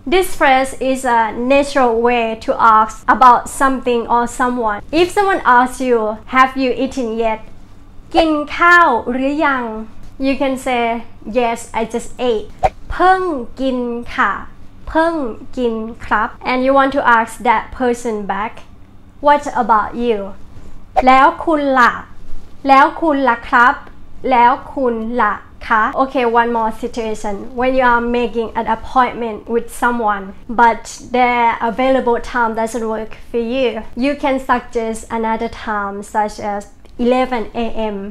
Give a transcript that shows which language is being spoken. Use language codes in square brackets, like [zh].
[en] This phrase is a natural way to ask about something or someone. If someone asks you, have you eaten yet? [th] กินข้าวหรือยัง? [en] You can say, yes, I just ate. [th] เพิ่งกินค่ะ. เพิ่งกินครับ. [en] And you want to ask that person back, what about you? [th] แล้วคุณล่ะ? แล้วคุณล่ะครับแล้วคุณล่ะคะ? [en] Okay, one more situation. When you are making an appointment with someone, but their available time doesn't work for you, you can suggest another time such as 11 a.m.